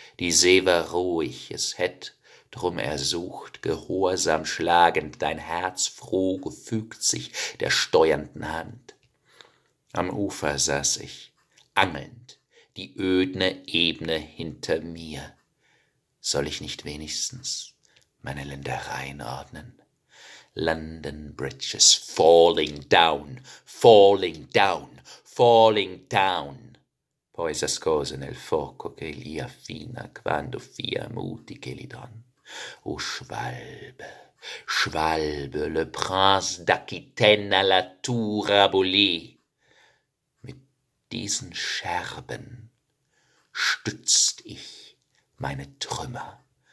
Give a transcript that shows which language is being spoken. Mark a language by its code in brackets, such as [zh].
[de] Die See war ruhig, es hätt drum ersucht, gehorsam schlagend, dein Herz froh gefügt sich der steuernden Hand. Am Ufer saß ich, angelnd, die ödne Ebene hinter mir. Soll ich nicht wenigstens meine Ländereien ordnen? [en] London Bridges falling down, falling down, falling down. [it] Poi s'ascose nel fuoco che li affina quando fia muti che li don. [de] O Schwalbe, Schwalbe, [fr] le prince d'Aquitaine à la tour abolie. [de] Mit diesen Scherben stützt ich meine Trümmer.